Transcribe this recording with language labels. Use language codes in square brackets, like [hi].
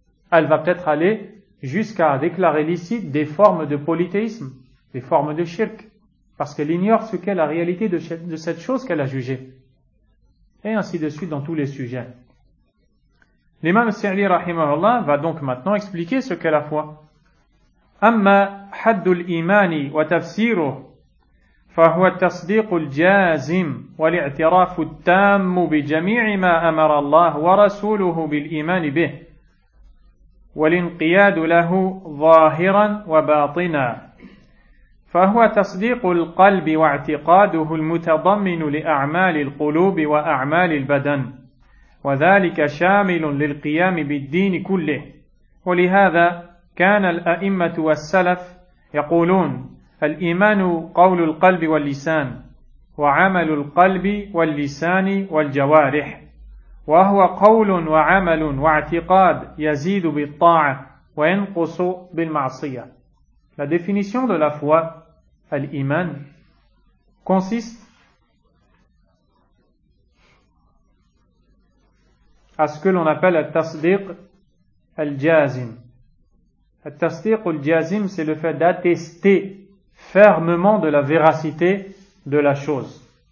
[fr] elle va peut-être aller jusqu'à déclarer licite des formes de polythéisme, des formes de shirk, parce qu'elle ignore ce qu'est la réalité de cette chose qu'elle a jugée. Et ainsi de suite dans tous les sujets. L'imam Sirri rahimahullah va donc maintenant expliquer ce qu'est la foi. [ar] أما حد الإيمان وتفسيره فهو التصديق الجازم والاعتراف التام بجميع ما أمر الله ورسوله بالإيمان به والانقياد له ظاهرا وباطنا فهو تصديق القلب واعتقاده المتضمن لأعمال القلوب وأعمال البدن وذلك شامل للقيام بالدين كله ولهذا كان الأئمة والسلف يقولون الإيمان قول القلب واللسان وعمل القلب واللسان والجوارح وهو قول وعمل واعتقاد يزيد بالطاعة وينقص بالمعصية. [fr] La définition de la foi, l'iman, consiste à ce que l'on appelle al-tasdiq al-jazim. At-tasdiq al-jazim, c'est le fait d'attester fermement de la véracité de la chose.